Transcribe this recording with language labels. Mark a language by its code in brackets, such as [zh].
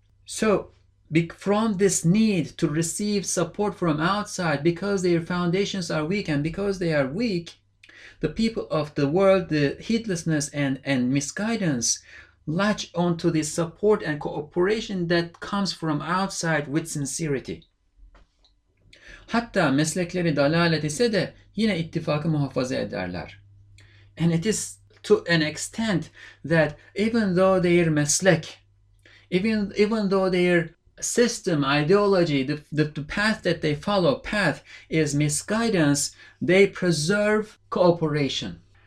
[en] So, from this need to receive support from outside, because their foundations are weak, and because they are weak, the people of the world, the heedlessness and misguidance, latch onto the support and cooperation that comes from outside with sincerity. [tr] Hatta meslekleri dalalet ise de yine ittifakı muhafaza ederler. [en] And it is to an extent that even though their meslek, even though their system, ideology, the path that they follow, path, is misguidance, they preserve cooperation.